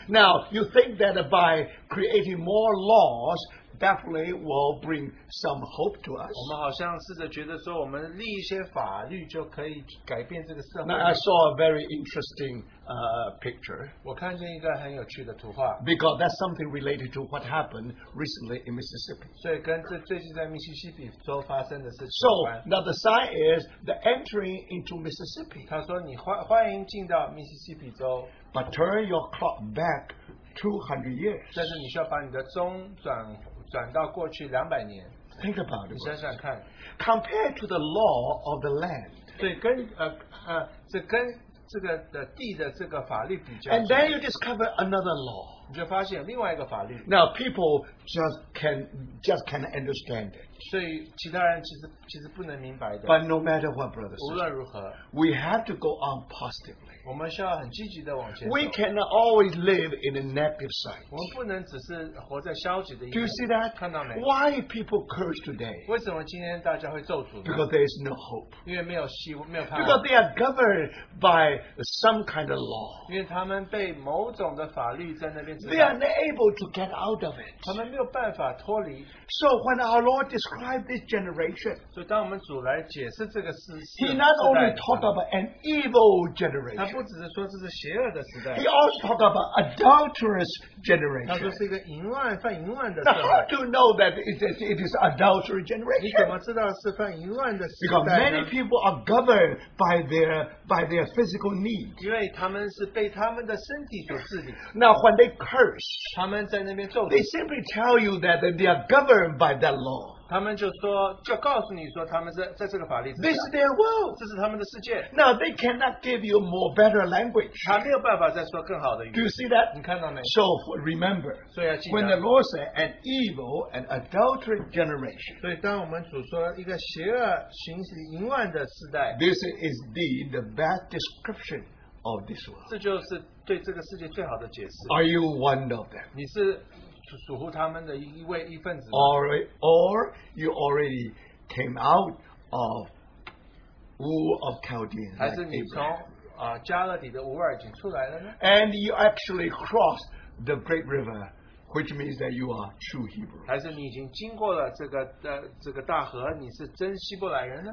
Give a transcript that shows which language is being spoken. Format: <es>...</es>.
<en>Now, you think that by creating more laws, definitely will bring some hope to us.</en> <zh>我们好像试着觉得说我们立一些法律就可以改变这个社会。</zh> <en>Now, I saw a very interesting picture.</en> <zh>我看见一个很有趣的图画。</zh> <en>Because that's something related to what happened recently in Mississippi.</en> <zh>所以跟最近在密西西比州发生的事情有关。</zh> <en>So, now the sign is the entering into Mississippi.</en> <zh>他说你欢迎进到密西西比州。</zh> <en>But turn your clock back 200 years.</en> <zh>但是你需要把你的钟转到过去200年。</zh> <en>Think about it.</en> <zh>你想想看,</zh> <en>compared to the law of the land.</en> <zh>对,跟这个地的这个法律比较,</zh> <en>and then you discover another law.</en> <zh>你就发现另外一个法律,</zh> <en>now people just can understand it.</en> <zh>所以其他人其实不能明白的,</zh> <en>but no matter what, brothers,</en> <zh>无论如何,</zh> <en>we have to go on positively.</en> <zh>我们需要很积极地往前走,</zh> <en>we cannot always live in a negative side.</en> <zh>我们不能只是活在消极的一面。</zh> <en>Do you see that?</en> <zh>看到没?</zh> <en>Why people curse today?</en> <zh>为什么今天大家会咒诅呢?</zh> <en>Because there is no hope.</en> <zh>因为没有希望,</zh> <en>because they are governed by some kind of law.</en> <zh>因为他们被某种的法律在那边指导,</zh> <en>they are not able to get out of it.</en> <zh>他们没有办法脱离。</zh> <en>So when our Lord described this generation,</en> <zh>所以当我们主来解释这个事,</zh> <en>he not only talked about an evil generation,</en> <zh>他不只是说这是邪恶的时代,</zh> <en>he also talked about adulterous generation.</en> <zh>他说是一个淫乱犯淫乱的时代。</zh> <en>Now how do you know that it is adulterous generation?</en> <zh>你怎么知道是犯淫乱的时代呢?</zh> <en>Because many people are governed by their physical needs.</en> <zh>因为他们是被他们的身体所治理。</zh> <en>Now when they curse,</en> <zh>他们在那边咒诅,</zh> <en>they simply tell you that they are governed by that law.</en> <zh>他们就告诉你说他们在这个法律之下,</zh> <en>this is their world.</en> <zh>这是他们的世界。</zh> <en>Now they cannot give you more better language.</en> <zh>他没有办法再说更好的语言。</zh> <en>Do you see that?</en> <zh>你看到没?</zh> <en>So remember,</en> <zh>所以要记得,</zh> <en>when the Lord said an evil and adulterate generation,</en> <zh>所以当我们主说一个邪恶行淫乱的时代,</zh> <en>this is indeed the best description of this world.</en> <zh>这就是对这个世界最好的解释。</zh> <en>Are you one of them?</en> <zh>你是 属乎他们的一份子,</zh> <en>or you already came out of wool of Chaldeans,</en> <zh>还是你从加勒底的乌尔已经出来了呢?</zh> <en>And you actually crossed the great river, which means that you are true Hebrew.</en> <zh>还是你已经经过了这个大河, 你是真希伯来人呢?</zh>